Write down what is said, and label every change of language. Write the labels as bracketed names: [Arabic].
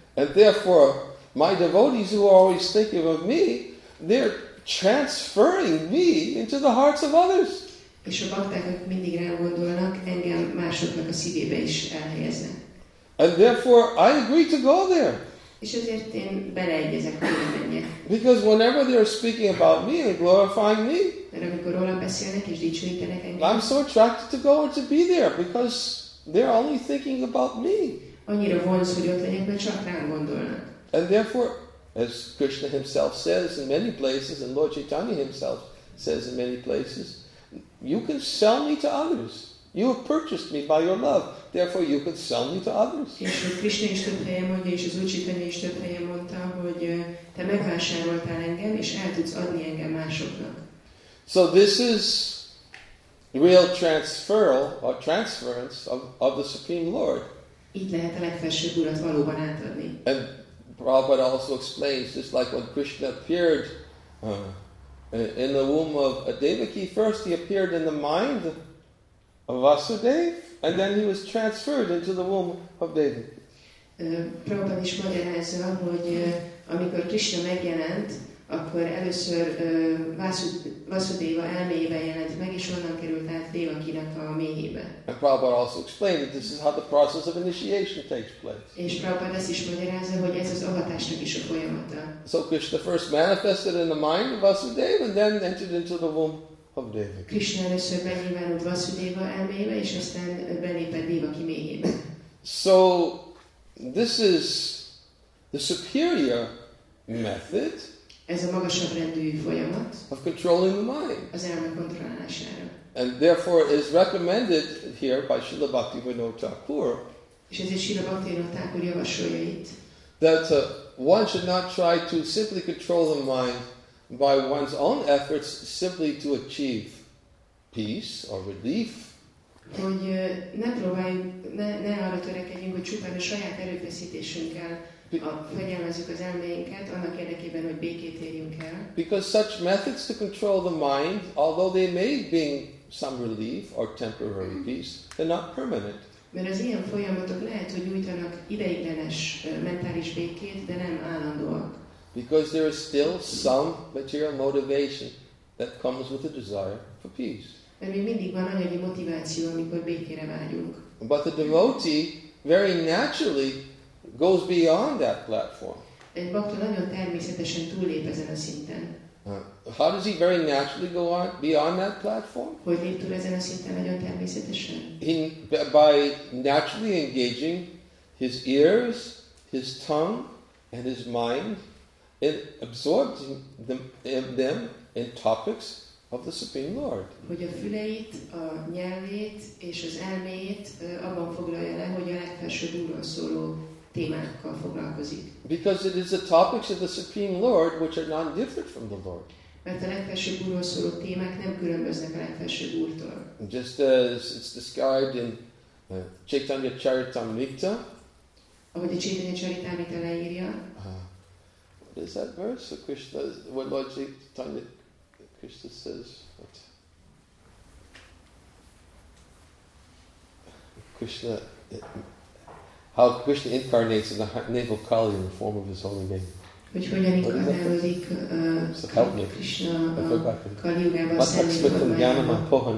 [English] And therefore, my devotees who are always thinking of me, they're transferring me into the hearts of others. [Hungarian] És a bakták, akik mindig rám gondolnak, engem másoknak a szívébe is elhelyeznek. [English] And therefore, I agree to go there. [Hungarian] És ezért én beleegyezek, hogy menjek. [English] Because whenever they're speaking about me and glorifying me, [Hungarian] mert amikor rólam beszélnek és dicsőítenek engem, [English] I'm so attracted to go or to be there because they're only thinking about me. [Hungarian] Annyira vonz, hogy ott legyek, mert csak rám gondolnak. [English] And therefore, as Krishna himself says in many places, and Lord Chaitanya himself says in many places, you can sell me to others. You have purchased me by your love. Therefore, you can sell me to others. [Hungarian] És Krishna is több helyen mondja, és az Lord Chaitanya is több helyen mondta, hogy te megvásároltál engem, és el tudsz adni engem másoknak. [English] So this is real transference of the Supreme Lord. [Hungarian] Így lehet a legfelsőbb urat valóban átadni. [English] Prabhupada also explains, just like when Krishna appeared in the womb of Devaki, first he appeared in the mind of Vasudev, and then he was transferred into the womb of Devaki. [Hungarian] Prabhupada is magyarázza, hogy amikor Krishna megjelent, akkor először Vasudeva elméjében jelent meg, és onnan került át Devakinak a méhébe. [English] And Prabhupada also explained that this is how the process of initiation takes place. [Hungarian] És Prabhupada ezt is magyarázza, hogy ez az avatásnak is a folyamata. [English] So Krishna first manifested in the mind of Vasudeva, and then entered into the womb of Devaki. [Hungarian] Krishna először megnyilvánult Vasudeva elméjébe, és aztán belépett Devaki méhébe. [English] So this is the superior method. [Hungarian] Ez a magasabb rendű folyamat. [English] Of controlling the mind. [Hungarian] Az elme kontrollálására. [English] And therefore is recommended here by Srila Bhaktivinoda Thakur. [Hungarian] És ezért Srila Bhaktivinoda Thakur javasolja itt. [English] That one should not try to simply control the mind by one's own efforts simply to achieve peace or relief. [Hungarian] Hogy ne próbáljunk, ne arra törekedjünk, hogy csupán a saját erőfeszítésünkkel fegyelmezzük az elménket annak érdekében, hogy békét érjünk el. [English] Because such methods to control the mind, although they may bring some relief or temporary peace, they're not permanent. [Hungarian] Mert az ilyen folyamatok lehet, hogy nyújtanak ideiglenes mentális békét, de nem állandóak. [English] Because there is still some material motivation that comes with the desire for peace. [Hungarian] Mert még mindig van anyagi motiváció, amikor békére vágyunk. [English] But the devotee very naturally goes beyond that platform. [Hungarian] Egy bakta nagyon természetesen túllép ezen a szinten. [English] How does he very naturally go on beyond that platform? [Hungarian] Hogy lép túl ezen a szinten nagyon természetesen? [English] By naturally engaging his ears, his tongue, and his mind, and absorbing them in topics of the Supreme Lord. [Hungarian] Hogy a füleit, a nyelvét és az elméjét abban foglalja le, hogy a legfelsőbb úrról szóló témákkal foglalkozik. [English] Because it is the topics of the Supreme Lord which are not different from the Lord. [Hungarian] Mert a legfelsőbb úrról szóló témák nem különböznek a legfelsőbb úrtól. [English] Just as it's described in Chaitanya Charitamrita. [Hungarian] Ahogy a Chaitanya Charitamrita leírja. [English] What is that verse? So Krishna, what Lord Chaitanya Krishna says? What? Krishna, how Krishna incarnates in the navel kali in the form of his holy name. [Hungarian] Hogyan inkarnálódik Krishna a Kali Yugában?